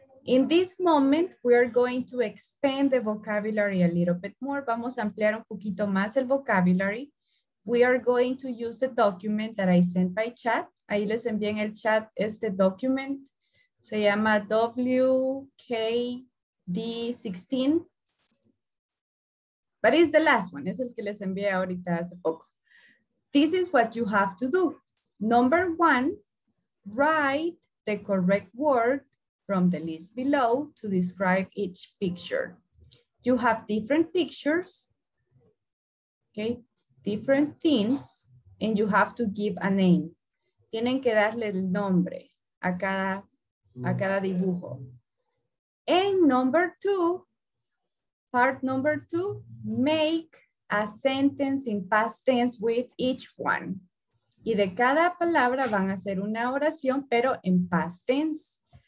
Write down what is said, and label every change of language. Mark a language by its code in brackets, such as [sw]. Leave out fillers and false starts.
[en] In this moment, we are going to expand the vocabulary a little bit more. [es] Vamos a ampliar un poquito más el vocabulary. [en] We are going to use the document that I sent by chat. [es] Ahí les envié en el chat este document. Se llama WKD16. [en] But it's the last one. [es] Es el que les envié ahorita hace poco. [en] This is what you have to do. Number one, write the correct word from the list below to describe each picture. You have different pictures, okay, different things, and you have to give a name. [es] Tienen que darle el nombre a cada dibujo. [en] And number two, part number two, make a sentence in past tense with each one. [es] Y de cada palabra van a hacer una oración, pero en past tense.